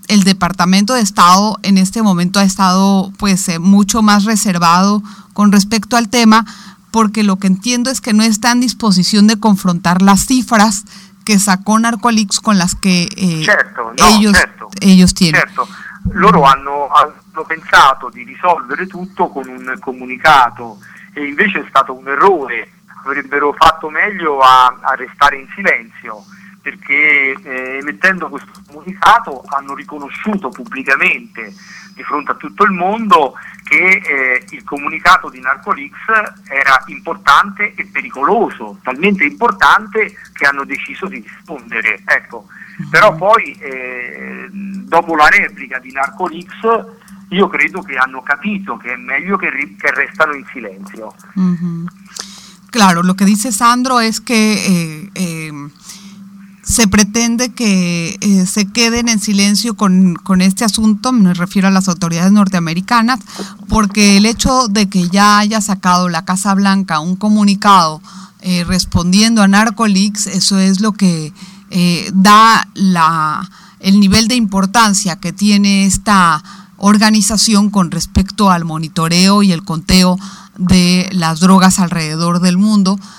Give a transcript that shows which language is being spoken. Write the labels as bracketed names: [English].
[Spanish] El Departamento de Estado en este momento ha estado mucho más reservado con respecto al tema, porque lo que entiendo es que no está en disposición de confrontar las cifras que sacó Narcoleaks con las que ellos tienen. [Italian] Certo. Loro hanno pensato di risolvere tutto con un comunicato e invece è stato un errore. Avrebbero fatto meglio a restare in silenzio. Perché emettendo questo comunicato hanno riconosciuto pubblicamente di fronte a tutto il mondo che il comunicato di Narcoleaks era importante e pericoloso, talmente importante che hanno deciso di rispondere. Ecco. Però poi dopo la replica di Narcoleaks io credo che hanno capito che è meglio che restano in silenzio. Mm-hmm. [Spanish] Claro, lo che dice Sandro è che... se pretende que se queden en silencio con este asunto, me refiero a las autoridades norteamericanas, porque el hecho de que ya haya sacado la Casa Blanca un comunicado respondiendo a Narcoleaks, eso es lo que da el nivel de importancia que tiene esta organización con respecto al monitoreo y el conteo de las drogas alrededor del mundo.